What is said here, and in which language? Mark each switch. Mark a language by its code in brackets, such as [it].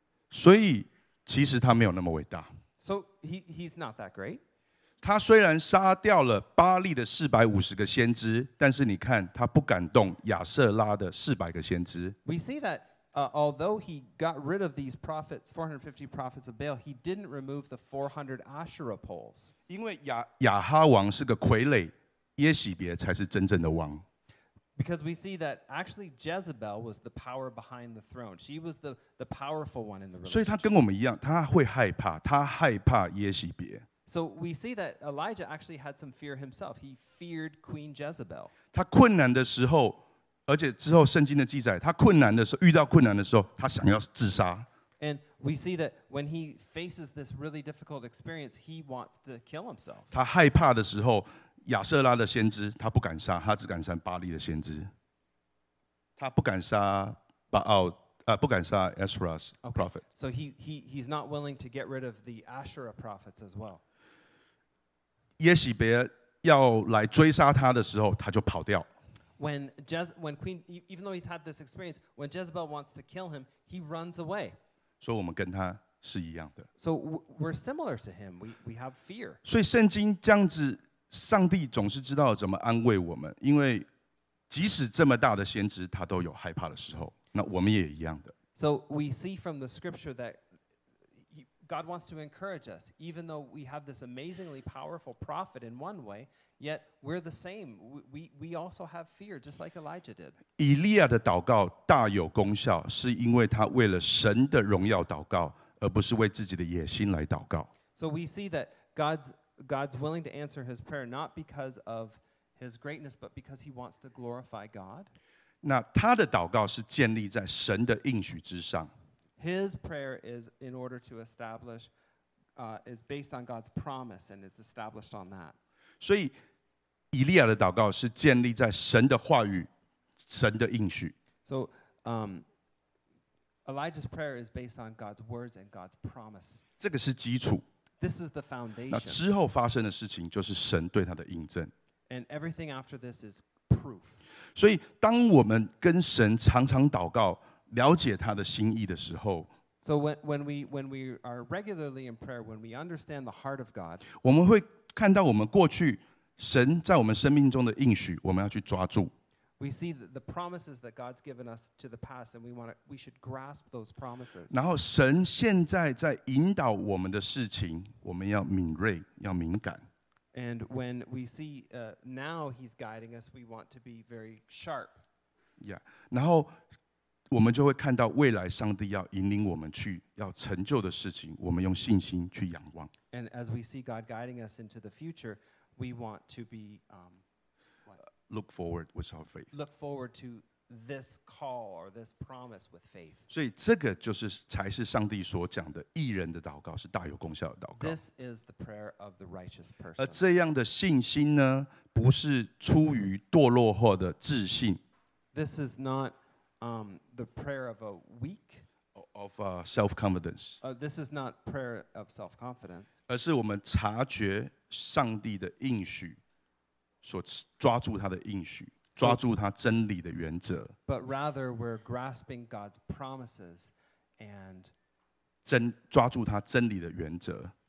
[zh] 所以其实他没有那么伟大。 [en] So he's not that great. [zh] 他虽然杀掉了巴利的450个先知，但是你看他不敢动亚瑟拉的400个先知。 [en] We see that although he got rid of these prophets, 450 prophets of Baal, he didn't remove the 400 Asherah poles. [zh] 因为亚哈王是个傀儡，耶洗别才是真正的王。 [en] Because we see that actually Jezebel was the power behind the throne. She was the powerful one in the relationship. [zh] 所以他跟我们一样，他会害怕，他害怕耶洗别。 [en] So we see that Elijah actually had some fear himself. He feared Queen Jezebel. [zh] 他困难的时候，而且之后圣经的记载，他困难的时候，遇到困难的时候，他想要自杀。 [en] And we see that when he faces this really difficult experience, he wants to kill himself. [zh] 他害怕的时候。亚瑟拉的先知，他不敢杀，他只敢杀巴利的先知。他不敢杀巴奥，不敢杀 [en] Asherah's prophet. Okay. So he's not willing to get rid of the Asherah prophets as well. [zh] 耶洗别要来追杀他的时候，他就跑掉。 [en] When Queen, even though he's had this experience, when Jezebel wants to kill him, he runs away. So we're with him. [zh] 是一样的。 [en] So we're similar to him. We have fear. [zh] 所以圣经这样子，上帝总是知道怎么安慰我们，因为即使这么大的先知，他都有害怕的时候。那我们也一样的。 [en] So we see from the scripture that God wants to encourage us, even though we have this amazingly powerful prophet in one way, yet we're the same. We also have fear, just like Elijah did. [zh] 以利亚的祷告大有功效，是因为他为了神的荣耀祷告。而不是为自己的野心来祷告。 [en] So we see that God's willing to answer his prayer not because of his greatness, but because he wants to glorify God. [zh] 那他的祷告是建立在神的应许之上。 [en] His prayer is in order to establish, is based on God's promise, and it's established on that. [zh] 所以以利亚的祷告是建立在神的话语、神的应许。 [en] So, Elijah's prayer is based on God's words and God's promise. [zh] 这个是基础。 [en] This is the foundation. [zh] 那之后发生的事情就是神对他的印证。 [en] And everything after this is proof. [zh] 所以当我们跟神常常祷告，了解他的心意的时候， [en] So when we are regularly in prayer, when we understand the heart of God, [zh] 我们会看到我们过去神在我们生命中的应许，我们要去抓住。 [en] We see the promises that God's given us to the past, and we should grasp those promises. [zh] 然后神现在在引导我们的事情，我们要敏锐，要敏感。 [en] And when we see now He's guiding us, we want to be very sharp. Yeah. [zh] 然后我们就会看到未来上帝要引领我们去要成就的事情，我们用信心去仰望。 [en] And as we see God guiding us into the future, we want to be Look forward with our faith. Look forward to this call or this promise with faith. [zh] 所以这个就是才是上帝所讲的义人的祷告，是大有功效的祷告。 [en] This is the prayer of the righteous person. [zh] 而这样的信心呢，不是出于堕落后的自信。 [en] This is not the prayer of a weak. Of self-confidence. This is not prayer of self-confidence. [zh] 而是我们察觉上帝的应许。所抓住他的应许，抓住他真理的原则。 [en] But rather, we're grasping God's promises and [zh] 抓住他真理的原则。